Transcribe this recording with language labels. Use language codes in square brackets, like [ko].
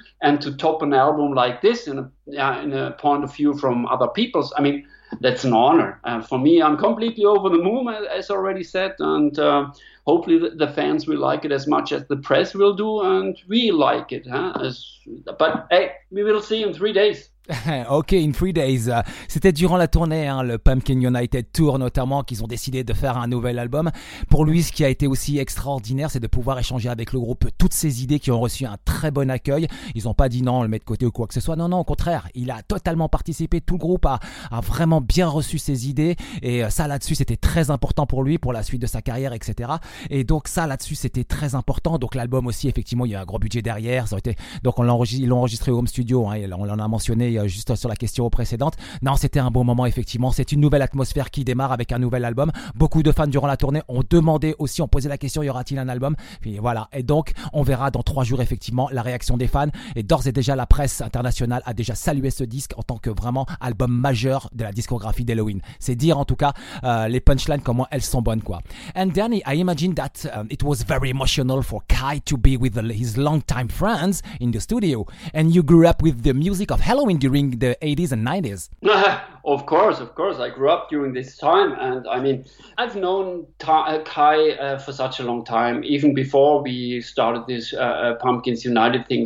[en] And to top an album like this in a point of view from other people's, I mean, that's an honor. For me, I'm completely over the moon, as already said, and hopefully the fans will like it as much as the press will do, and we like it. But hey, we will see in 3 days. Ok, in 3 days. [fr] C'était durant la tournée, hein, le Pumpkin United Tour notamment, qu'ils ont décidé de faire un nouvel album. Pour lui, ce qui a été aussi extraordinaire, c'est de pouvoir échanger avec le groupe toutes ses idées, qui ont reçu un très bon accueil. Ils n'ont pas dit non, on le met de côté ou quoi que ce soit. Non, non, au contraire, il a totalement participé. Tout le groupe a vraiment bien reçu ses idées. Et ça, là-dessus, c'était très important pour lui, pour la suite de sa carrière, etc. Et donc ça, là-dessus, c'était très important. Donc l'album aussi, effectivement, il y a un gros budget derrière. Donc ils l'ont enregistré au home studio, hein, on l'en a mentionné juste sur la question précédente. Non, c'était un bon moment, effectivement. C'est une nouvelle atmosphère qui démarre avec un nouvel album. Beaucoup de fans durant la tournée ont demandé aussi, ont posé la question, y aura-t-il un album? Et voilà. Et donc, on verra dans 3 jours, effectivement, la réaction des fans. Et d'ores et déjà, la presse internationale a déjà salué ce disque en tant que vraiment album majeur de la discographie d'Halloween. C'est dire, en tout cas, les punchlines, comment elles sont bonnes, quoi. [en] And Danny, I imagine that it was very emotional for Kai to be with his longtime friends in the studio. And you grew up with the music of Halloween during the 80s and 90s. Of course. I grew up during this time. And I mean, I've known Kai for such a long time, even before we started this Pumpkins United thing.